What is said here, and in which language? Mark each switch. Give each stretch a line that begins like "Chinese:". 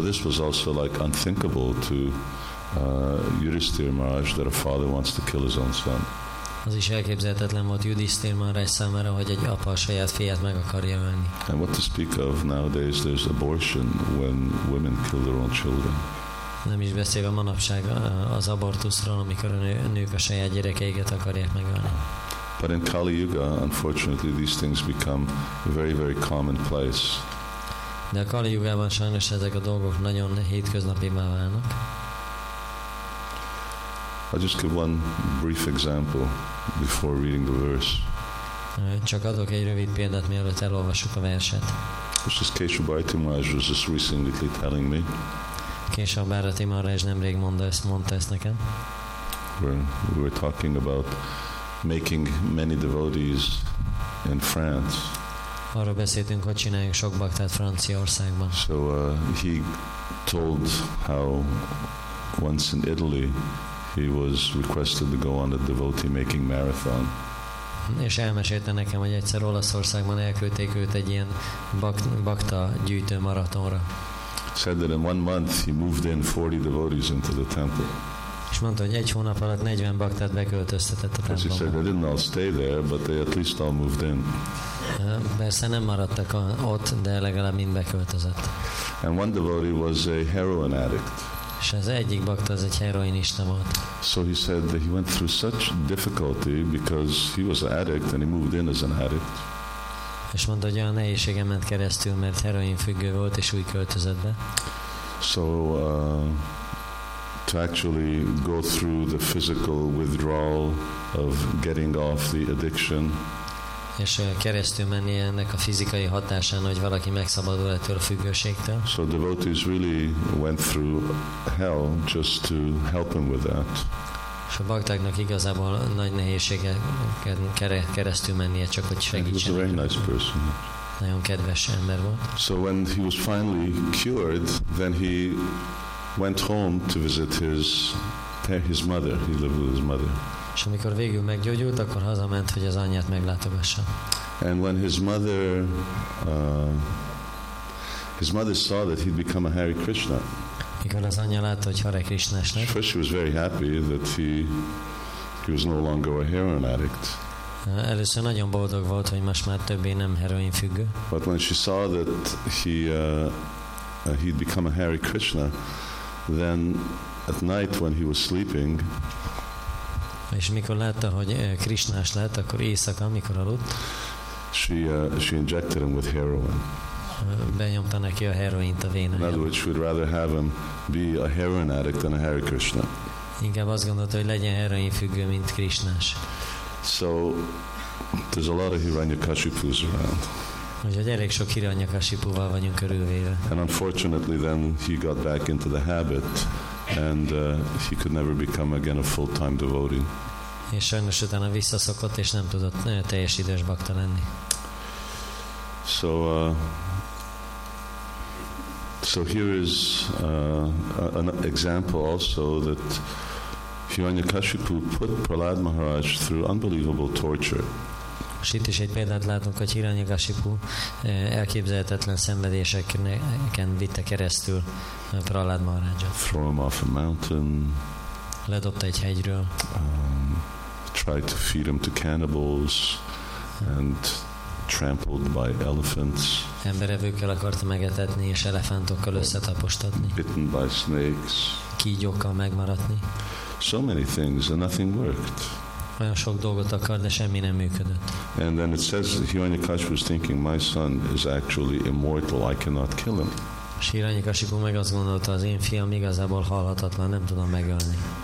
English: So this was also like unthinkable to Yudhisthira Maharaj that a father wants to kill his own son.
Hungarian: Az is elképzelhetetlen volt Yudhisthira Maharaj számára, hogy egy apa a saját fiát meg akarja venni.
English: And what to speak of nowadays, there's abortion when women kill their own children.
Hungarian: Nem is beszélve manapság az abortuszról, amikor a nők a saját gyerekeiket akarják megölni.
English: But in Kali Yuga, unfortunately, these things become very, very commonplace.
Hungarian: De a Kali Yugában sajnos ezek a dolgok nagyon hétköznapivá válnak.
English: I'll just give one brief example before reading the verse.
Hungarian: Csak adok egy rövid példát, mielőtt elolvassuk a verset.
English: This is Kesava Bharati Maharaj was just recently telling me.
Hungarian: Kesava Bharati Maharaj nemrég mondta ezt nekem.
English: We were talking about making many devotees in France.
Hungarian: Arról beszéltünk, hogy csináljunk sok baktát Franciaországban.
English: So he told how once in Italy he was requested to go on a devotee making marathon.
Hungarian: És elmesélte nekem, hogy egyszer Olaszországban elküldték őt egy ilyen bakta gyűjtő maratonra.
English: Said that in one month he moved in 40 devotees into the temple.
Hungarian: És mondta, hogy egy hónap alatt 40 baktát beköltöztetett a templomba.
English: They didn't all stay there, but they at least all moved in.
Hungarian: Persze nem maradtak ott, de legalább mind beköltözött.
English: And one devotee was a heroin addict.
Hungarian: És az egyik bakta az egy heroinista volt.
English: So he said that he went through such difficulty because he was an addict and he moved in as an addict.
Hungarian: És mondta, hogy olyan nehézségen ment keresztül, mert heroin függő volt és új költözött be.
English: So to actually go through the physical withdrawal of getting off the addiction.
Hungarian: És keresztül menni ennek a fizikai hatásán, hogy valaki megszabadul ettől a függőségtől.
English: So devotees really went through hell just to help him with that.
Hungarian: És a baktáknak igazából nagy nehézségeket keresztül mennie, csak hogy segítsen.
English: He was a very nice person.
Hungarian: Nagyon kedves ember volt.
English: So when he was finally cured, then he went home to visit his mother. He lived with his mother.
Hungarian: És amikor végül meggyógyult, akkor hazament, hogy az anyját meglátogassa.
English: And when his mother saw that he'd become a Hare Krishna.
Hungarian: Mikor az anyja látta, hogy Hare Krishna-s lett.
English: First she was very happy that he was no longer a heroin addict.
Hungarian: Először nagyon boldog volt, hogy most már többé nem heroin függő.
English: But when she saw that he'd become a Hare Krishna, then at night when he was sleeping,
Hungarian: és mikor látta, hogy Krishna-s lett, akkor éjszaka, amikor aludt,
English: she injected him with heroin.
Hungarian: Benyomta neki a heroint a vénájába.
English: In other words, she would rather have him be a heroin addict than a Hare Krishna.
Hungarian: Inkább azt gondolta, hogy legyen heroin függő, mint Krishna-s.
English: So, there's a lot of Hiranyakashipus around.
Hungarian: Úgyhogy elég sok hiranyakasipúval vagyunk körülvéve.
English: And unfortunately then he got back into the habit and he could never become again a full-time devotee.
Hungarian: És sajnos utána visszaszokott és nem tudott teljes idős bakta lenni.
English: So here is an example also that Hiranyakasipu put Prahlad Maharaj through unbelievable torture.
Hungarian: És itt is egy példát látunk, hogy Hiranyakasipu elképzelhetetlen szenvedéseken vitte keresztül Prahlad Maharajot.
English: Threw him off a mountain.
Hungarian: Ledobta egy hegyről.
English: Tried to feed him to cannibals and trampled by elephants.
Hungarian: Emberevőkkel akarta megetetni és elefántokkal összetapostatni.
English: Bitten by snakes.
Hungarian: Kígyókkal megmaradni.
English: So many things and nothing worked.
Hungarian: Olyan sok dolgot akar, de semmi nem működött.
English: And then it says Hiranyakasipu was thinking, my son is actually immortal, I cannot kill him.
Hungarian: Hiranyakasipu meg azt gondolta, az én fiam igazából halhatatlan, nem tudom megölni.